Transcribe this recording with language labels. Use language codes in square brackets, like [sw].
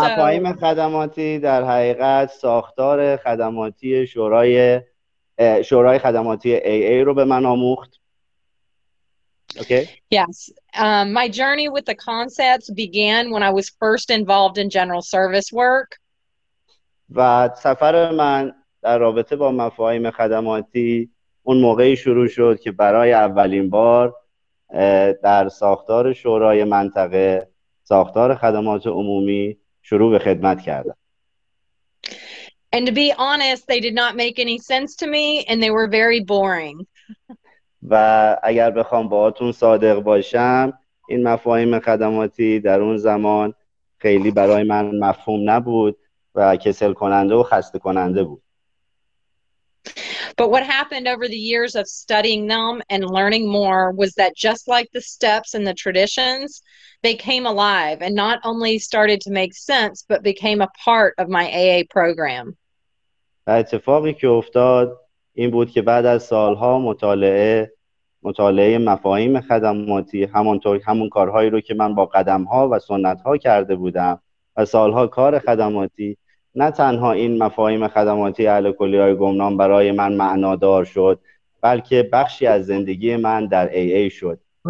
[fa] مفاهیم خدماتی در حقیقت ساختار خدماتی شورای خدماتی AA رو به من آموخت. [en] Okay. Yes. My journey with the concepts began when I was first involved in general service work. [fa] و سفر من در رابطه با مفاهیم خدماتی اون موقعی شروع شد که برای اولین بار در ساختار شورای منطقه ساختار خدمات عمومی شروع به خدمت کردم. [en] And to be honest, they did not make any sense to me and they were very boring. [fa] و اگر بخوام باهاتون صادق باشم این مفاهیم خدماتی در اون زمان خیلی برای من مفهوم نبود و کسل کننده و خسته کننده بود. [en] But what happened over the years of studying them and learning more was that just like the steps and the traditions, they came alive and not only started to make sense, but became a part of my AA program. [fa] اتفاقی که افتاد این بود که بعد از سالها مطالعه مفاهیم خدماتی همون کارهایی رو که من با قدمها و سنتها کرده بودم و سالها کار خدماتی نه تنها این مفاهیم خدماتی اهل کلیه‌های گمنام برای من معنادار شد بلکه بخشی از زندگی من در AA شد.